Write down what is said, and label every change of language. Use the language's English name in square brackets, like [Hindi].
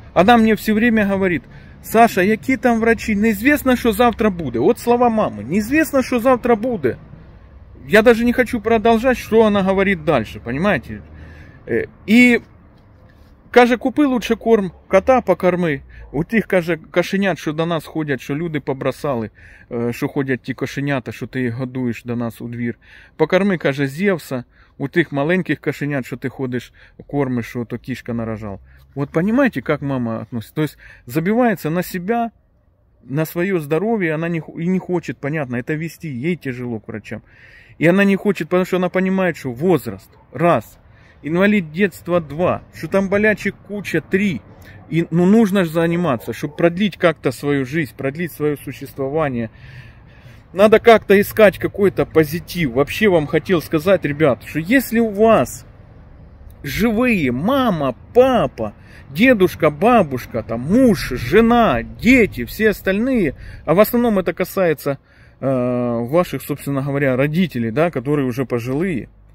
[Russian] Она мне все время говорит, Саша, какие там врачи? Неизвестно, что завтра будет. Вот слова мамы. Неизвестно, что завтра будет. Я даже не хочу продолжать, что она говорит дальше. Понимаете? И... [Ukrainian] Каже, купи лучше корм, кота покорми. У тих, каже, кошенят, що до нас ходять, що люди побросали, що ходять ті кошенята, що ти їх годуєш до нас у двір. Покорми, каже, Зевса, у тих маленьких кошенят, що ти ходиш, кормиш, що то кішка нарожав. От понимаете, як мама относиться? Тобто забивається на себе, на своє здоров'я, вона і не хоче, понятно, це вести, їй тяжело к врачам. І вона не хоче, тому що вона розуміє, що возраст, раз. [Russian] Инвалид детства 2, что там болячек куча 3, и, ну нужно же заниматься, чтобы продлить как-то свою жизнь, продлить свое существование. Надо как-то искать какой-то позитив. Вообще вам хотел сказать, ребят, что если у вас живые мама, папа, дедушка, бабушка, там, муж, жена, дети, все остальные, а в основном это касается ваших, собственно говоря, родителей, да, которые уже пожилые.